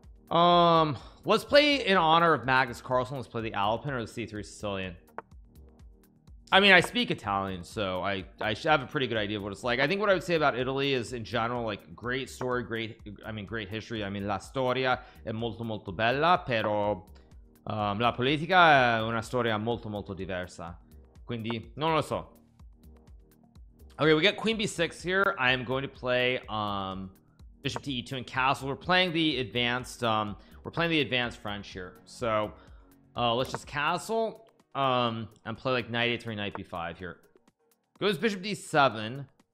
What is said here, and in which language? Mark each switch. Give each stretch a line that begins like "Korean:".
English: Let's play in honor of Magnus Carlsen. Let's play the Alpin or the c3 Sicilian. I mean, I speak Italian, so I should have a pretty good idea of what it's like. I think what I would say about Italy is, in general, like, great story, great history.
Italian: I mean, la storia è molto molto bella, però la politica è una storia molto molto diversa. Quindi non lo so.
English: Okay, we get queen b6 here. I am going to play bishop to e2 and castle. We're playing the advanced French here. So let's just castle and play like knight a3, knight b5 here. Goes bishop d7.